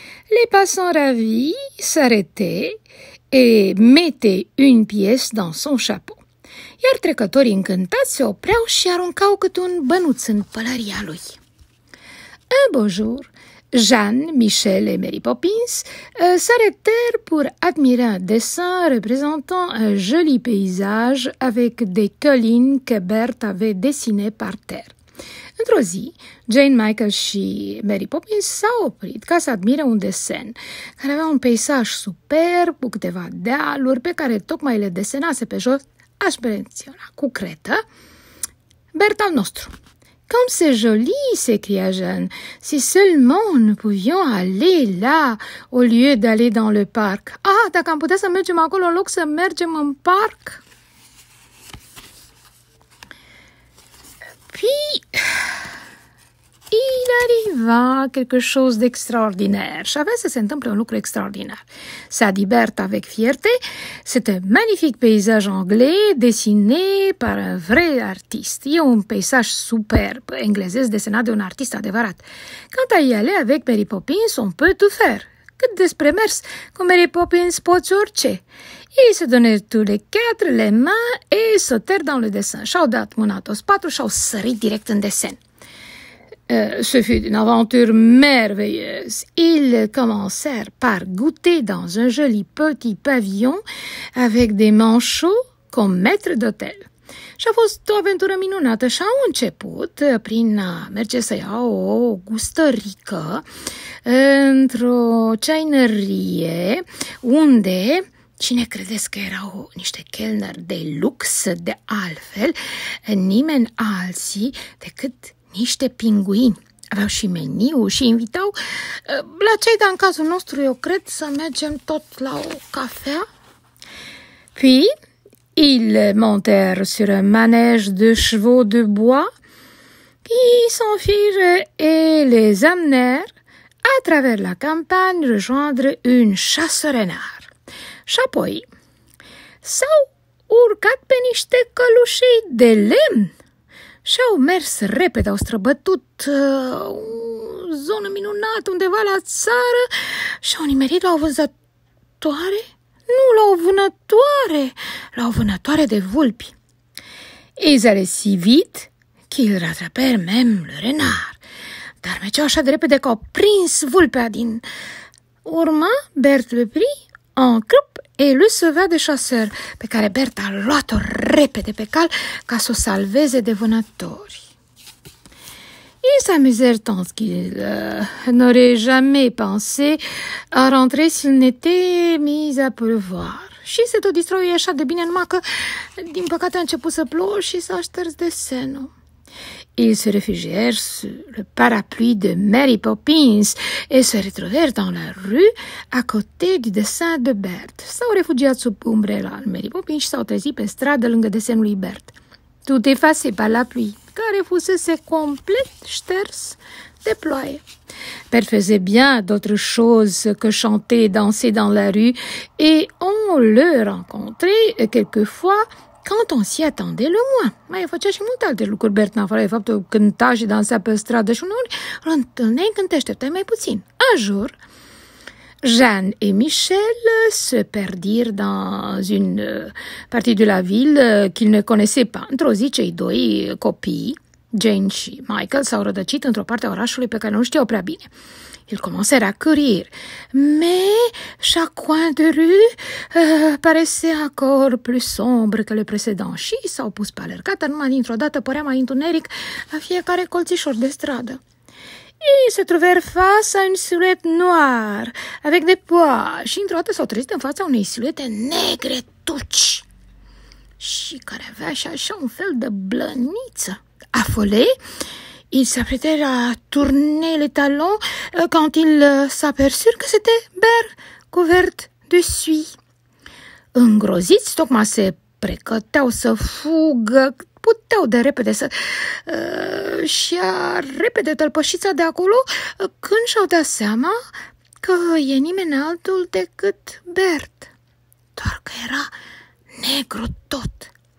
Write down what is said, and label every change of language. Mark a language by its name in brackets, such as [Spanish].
[French] Les passants ravis s'arrêtaient et mettait une pièce dans son chapeau. [Romanian] Iar trecătorii încântați se opreau și aruncau câte un bănuț în pălăria lui. [French] Un beau jour, Jeanne, Michel et Mary Poppins s'arrêtèrent pour admirer un dessin représentant un joli paysage avec des collines que Bert avait dessinées par terre. [Romanian] Într-o zi, Jane, Michael și Mary Poppins s-au oprit ca să admire un desen care avea un peisaj superb cu câteva dealuri pe care tocmai le desenase pe jos, aș menționa cu cretă, Bert al nostru. [French] «Comme c'est joli!» s'écria Jeanne. «Si seulement nous pouvions aller là au lieu d'aller dans le parc!» [Romanian] «Ah, dacă am putea să mergem acolo în loc să mergem în parc!» [French] Puis, il arriva quelque chose d'extraordinaire. Je savais que ça s'entend un lucre extraordinaire. Ça dit Bert avec fierté. C'est un magnifique paysage anglais dessiné par un vrai artiste. Il y a un paysage superbe, anglais, dessiné par un artiste adevărat. Quand à y aller avec Mary Poppins, on peut tout faire. [Romanian] Cât despre mers, cu Mary Poppins poți orice. [French] Ei se donèrent tous les quatre les mains et sautèrent dans le dessin. [Romanian] Și-au dat mâna toți patru și-au sărit direct în desen. [French] Ce fut une aventure merveilleuse. Ils commencèrent par goûter dans un joli petit pavillon avec des manchots comme maître d'hôtel. [Romanian] Și-a fost o aventură minunată și-au început prin a merge să iau o gustărică într-o ceainărie unde... Cine credeți că erau niște chelneri de lux, de altfel, nimeni alții decât niște pinguini. Aveau și meniu și invitau la cei, dar în cazul nostru, eu cred, să mergem tot la o cafea. [French] Puis, ils montèrent sur un manège de chevaux de bois qui s'enfuirent et les amenèrent à travers la campagne rejoindre une chasse-renard. [Romanian] Și apoi, s-au urcat pe niște călușei de lemn și au mers repede, au străbătut o zonă minunată undeva la țară și au nimerit la o vânzătoare. Nu, la o vânătoare, la o vânătoare de vulpi. [French] Ils allaient si vite qu'ils rattrapèrent même le renard. [Romanian] Dar mergeau așa de repede că au prins vulpea din urmă. [French] Berthe le prit en croupe et le sauva de chasseur, [Romanian] pe care Berthe a luat-o repede pe cal ca să o salveze de vânători. [French] Ils s'amusèrent tant qu'ils n'auraient jamais pensé à rentrer s'il n'était mis à pleuvoir. [Romanian] Și se tot distrau așa de bine, numai că, din păcate, a început să plouă și s-a șters de senă. [French] Ils se réfugièrent sous le parapluie de Mary Poppins et se retrouvèrent dans la rue à côté du dessin de Berthe. [Romanian] S-au refugiat sub umbrela Mary Poppins și s-au trezit pe stradă lângă desenul lui Berthe. [French] Tout effacé par la pluie, [Romanian] care fusese complet șters de ploaie. [French] Berthe faisait bien d'autres choses que chanter et danser dans la rue et on le rencontrait quelquefois quand on s'y attendait le moins. [Romanian] Mai făcea și multe alte lucruri, Berthe, în afară de faptul cânta și dansa pe stradă și uneori îl întâlneai când te așteptai mai puțin. [French] Un jour, Jeanne et Michel se perdirent dans une partie de la ville qu'ils ne connaissaient pas. [Romanian] Într-o zi, cei doi copii, Jane și Michael, s-au rădăcit într-o parte a orașului pe care nu știau prea bine. [French] Ils commencèrent à courir. Mais chaque coin de rue paraissait encore plus sombre que le précédent. [Romanian] Și s-au pus pe alergată, numai dintr-o dată părea mai întuneric la fiecare colțișor de stradă. [French] Ils se trouvèrent face à une silhouette noire avec des pois. [Romanian] Și într-o dată s-au trezit în fața unei siluete negre tuci și care avea și așa un fel de blăniță. [French] Afolé, ils s'apprêtèrent à tourner les talons quand ils s'aperçurent que c'était Berthe couverte de suie. [Romanian] Îngroziți, tocmai se pregăteau să fugă, puteau de repede să și-a repede tălpășița de acolo când și-au dat seama că e nimeni altul decât Berthe, doar că era negru tot.